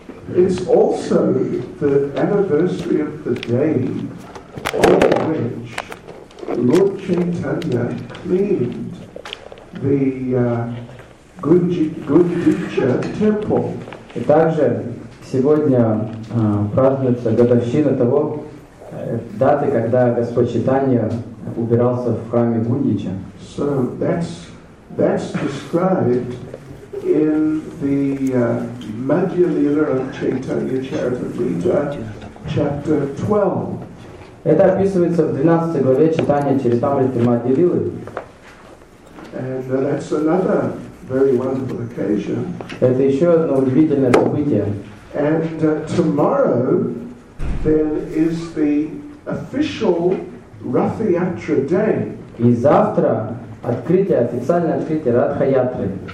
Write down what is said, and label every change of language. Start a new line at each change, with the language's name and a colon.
English: It's also the anniversary of the day on which Lord Chaitanya cleaned the Gudicha temple.
Russian: И также сегодня празднуется годовщина того даты, когда Господь Чайтанья убирался в храме Гундича.
English: So that's described in the Madhya Lila of Chaitanya Charitamrita, chapter 12.
Russian: Это описывается в 12 главе Чайтанья Чаритамриты Мадья Лилы.
English: And that's another very wonderful occasion.
Russian: Это еще одно удивительное событие.
English: And tomorrow then is the official Rath Yatra day.
Russian: И завтра открытие, официальное открытие Ратха Ятры.